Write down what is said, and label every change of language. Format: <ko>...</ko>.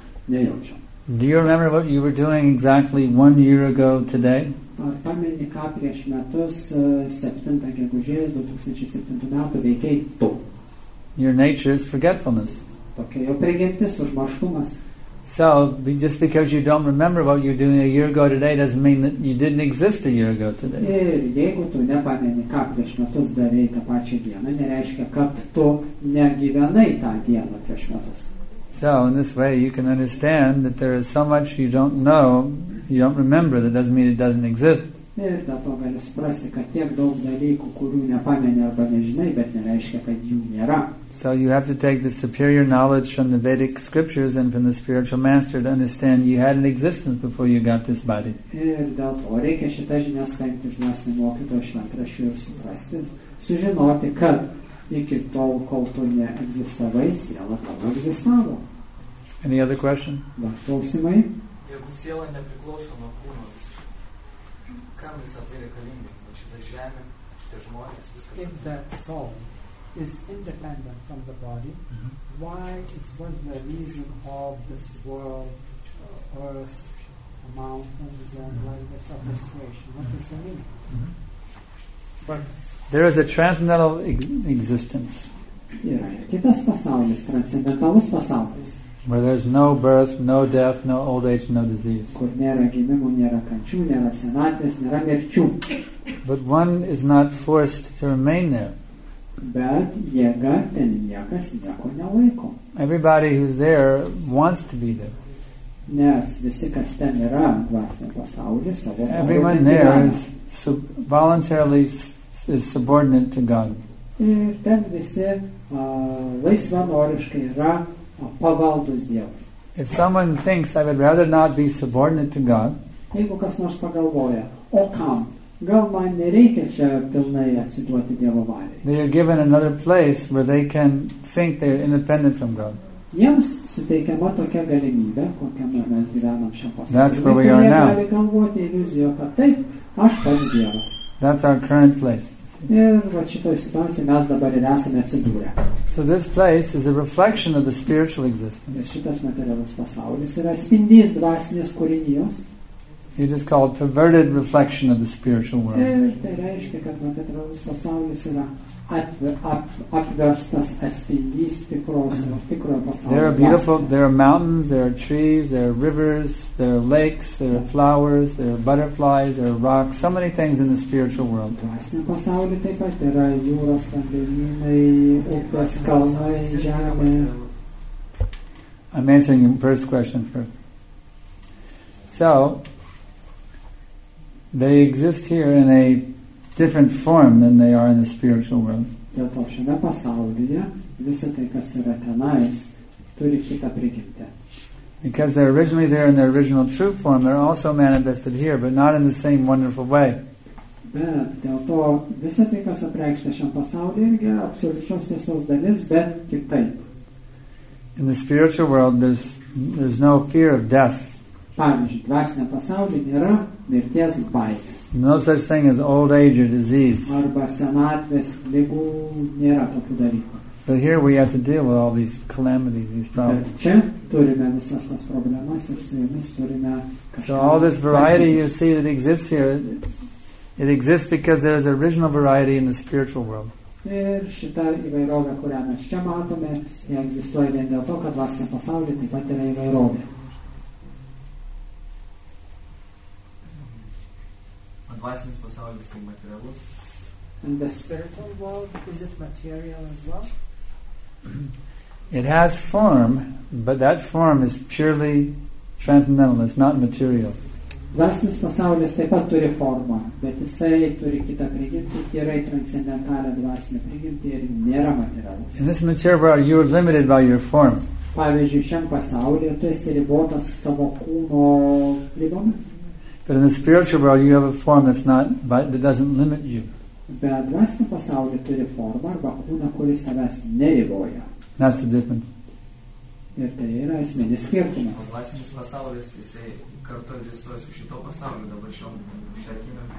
<en>Do you remember what you were doing exactly 1 year ago today?</en> <lt>Ar pameni, ką prieš metus, 7 gegužės 2007 metų veikiai tu?</lt> <en>Your nature is forgetfulness.</en> <lt>Tokia jau prigimtis, užmarštumas.</lt> <en>So, just because you don't remember what you were doing a year ago today doesn't mean that you didn't exist a year ago today.</en> <lt>Ir jeigu tu nepameni, ką prieš metus darėjai tą pačią dieną, nereiškia, kad tu negyvenai tą dieną prieš metus.</lt> <en>So, in this way, you can understand that there is so much you don't know, you don't remember, that doesn't mean it doesn't exist.</en> <lt>Ir dėl to gali suprasti, kad tiek daug dalykų, kurių nepameni arba nežinai, bet nereiškia, kad jų nėra.</lt> <en>So you have to take the superior knowledge from the Vedic scriptures and from the spiritual master to understand you had an existence before you got this body.</en> <lt>Ir dėl to reikia šitą žinią skaityti iš dvasinio mokytojo šventraščių ir suprasti, sužinoti, kad iki tol, kol tu neegzistavai, siela tavo egzistavo.</lt> <en>Any other question?</en> <lt>Dar klausimai? Jeigu siela nepriklauso nuo kūno, kam visą tai reikalinga? Šitą žemę, šitą žmonės, viskas.</lt> <en>If that soul is independent from the body, mm-hmm. why is what the reason of this world, earth, mountains, and like this, of this creation? What is the meaning? Mm-hmm. There is a transcendental existence.</en> <lt>yra ir kitas pasaulis, transcendentalus pasaulis.</lt> <en>Where there's no birth, no death, no old age, no disease.</en> <lt>Kur nėra gimimų, nėra kančių, nėra senatvės, nėra mirčių.</lt> <en>But one is not forced to remain there.</en> <lt>Bet jėga ten niekas nieko nelaiko.</lt> <en>Everybody who's there wants to be there.</en> <lt>Nes visi, kas ten yra, dvasinė pasaulė, savo</lt> <en>Everyone there is voluntarily is subordinate to God.</en> <lt>Ir ten visi laisvanoriškai yra pavaldus Dievui.</lt> <en>If someone thinks I would rather not be subordinate to God,</en> <lt>jeigu kas nors pagalvoja, o kam? Gal man nereikia čia pilnai atsiduoti Dievo valiai.</lt> <en>They are given another place where they can think they are independent from God.</en> <lt>Jiems suteikiama tokia galimybė, kokią mes gyvenam šiam pasaulyje.</lt> <en>That's where we are now.</en> <lt>Jie gali galvoti iliuziją, kad taip, aš pats Dievas.</lt> <en>That's our current place.</en> <lt>Ir va šitoje situacijoje mes dabar ir esame atsidūrę.</lt> <en>So this place is a reflection of the spiritual existence.</en> <lt>Ir šitas materialus pasaulis yra atspindys dvasinės kūrinijos.</lt> <en>It is called perverted reflection of the spiritual world.</en> <lt>Tai reiškia, kad materialus pasaulis yra apverstas atspindys tikrojo pasaulio.</lt> <en>There are beautiful, there are mountains, there are trees, there are rivers, there are lakes, there are flowers, there are butterflies, there are rocks, so many things in the spiritual world.</en> <lt>Dvasiniam pasauly taip pat yra jūros, vandenynai, upės, kalnai, žemė.</lt> <en>I'm answering your first question first. So, they exist here in a different form than they are in the spiritual world.</en> <lt>Dėl to šiame pasaulyje visa tai, kas yra tenais, turi kitą prigimtę.</lt> <en>Because they're originally there in their original true form, they're also manifested here, but not in the same wonderful way.</en> <lt>Bet dėl to visa tai, kas apreikšta šiam pasaulyje, irgi absoliučios tiesos dalis, bet kitaip.</lt> <en>In the spiritual world, there's no fear of death.</en> <lt>Pavyzdžiui, dvasinė pasaulyje nėra mirties baimės.</lt> <en>No such thing as old age or disease.</en> <lt>Arba senatvės ligų nėra tokių dalykų.</lt> <en>But here we have to deal with all these calamities, these problems.</en> <lt>Bet čia turime visas tas problemas ir su jomis turime kažką.</lt> <en>So all this variety you see that exists here, it exists because there is original variety in the spiritual world.</en> <lt>Ir šita įvairovė, kurią mes čia matome, jie egzistuoja vien dėl to, kad dvasinė pasaulyje taip pat yra įvairovė. Dvasinis pasaulis tai materialus.</lt> <en>And the spiritual world, is it material as well? It has form, but that form is purely transcendental, it's not material.</en> <lt>Dvasinis pasaulis taip pat turi formą, bet jisai turi kitą prigimtį, yra transcendentalią dvasinę prigimtį ir nėra materialus.</lt> <en>In this material world, you are limited by your form.</en> <lt>Pavyzdžiui, šiam pasaulyje tu esi ribotas savo kūno ligomis.</lt> <en>But in the spiritual world, you have a form that's not, that doesn't limit you.</en> <lt>Bet dvasinio pasaulyje turi formą arba kūną, kuris tavęs neriboja.</lt> <en>That's the difference.</en> <lt>Ir tai yra esminis skirtumas. Dvasinis pasaulis, jis kartu egzistuoja su šito pasaulyje, dabar šiom šiakime.</lt>